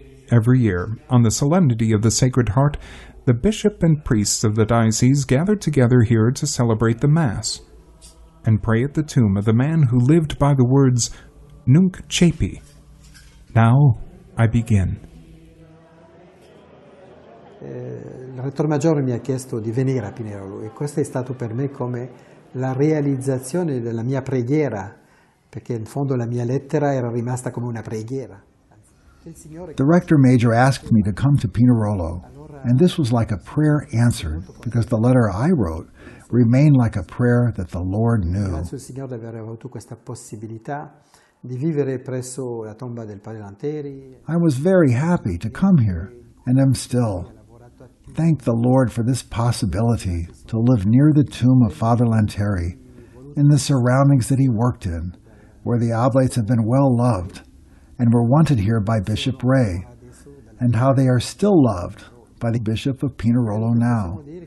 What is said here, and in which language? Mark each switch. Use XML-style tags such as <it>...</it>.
<en>Every year, on the solemnity of the Sacred Heart, the bishop and priests of the diocese gather together here to celebrate the Mass and pray at the tomb of the man who lived by the words,</en> <la>"Nunc Coepi,</la> <en>now I begin."</en> <it>Il rettore maggiore mi ha chiesto di venire a Pinerolo e questo è stato per me come la realizzazione della mia preghiera, perché in fondo la mia lettera era rimasta come una preghiera.</it> <en>The rector major asked me to come to Pinerolo, and this was like a prayer answered, because the letter I wrote remain like a prayer that the Lord knew.</en> <it>Grazie al Signore di aver avuto questa possibilità di vivere presso la tomba del padre Lanteri.</it> <en>I was very happy to come here, and am still. Thank the Lord for this possibility to live near the tomb of Father Lanteri, in the surroundings that he worked in, where the Oblates have been well loved and were wanted here by Bishop Ray, and how they are still loved by the Bishop of Pinerolo now.</en>